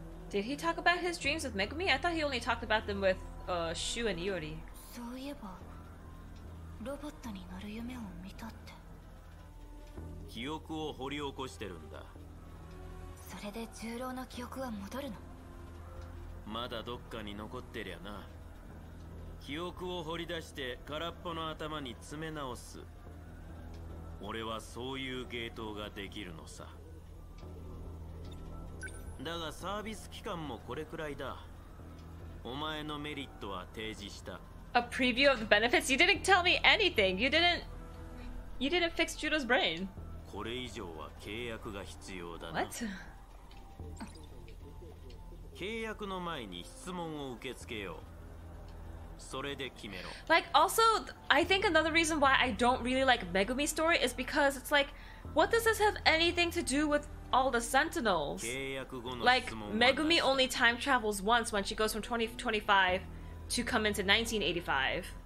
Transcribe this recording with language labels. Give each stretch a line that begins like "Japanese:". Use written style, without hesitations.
English: Did he talk about his dreams with Megumi? I thought he only talked about them with, Shu and Iori.
Japanese: そういえば、ロボットになる夢を見たって。記憶を掘り起こしてるんだ。それで十郎の記憶は戻るの？まだどっかに残ってりゃな。記憶を掘り出して空っぽの頭に詰め直す。俺はそういう系統ができるのさ。だがサービス期間もこれくらいだ。お前のメリットは提示した。
English: A preview of the benefits? You didn't tell me anything. You didn't fix Judo's brain.
Japanese: これ以上は契約が必要だな。
English: What?
Japanese: 契約の前に質問を受け付けよう。それで決めろ。
English: Like, also, I think another reason why I don't really like Megumi's story is because it's like, what does this have anything to do with all the Sentinels?
Japanese: 契約後の質問はなし。
English: Like, Megumi only time travels once when she goes from 2025. To come into 1985.